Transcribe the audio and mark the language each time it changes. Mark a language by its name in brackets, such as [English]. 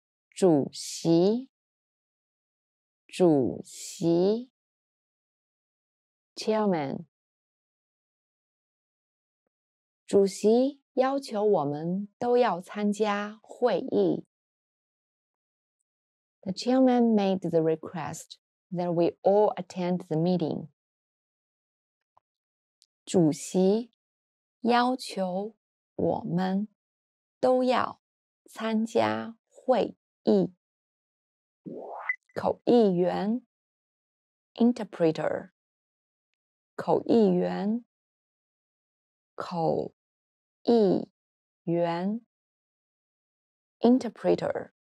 [Chinese] 主席主席 [English] chairman [Chinese] 主席要求我们都要参加会议 [English] The chairman made the request that we all attend the meeting [Chinese] 主席要求我们都要参加会议口译员 [English] interpreter [Chinese] 口译员口译员 interpreter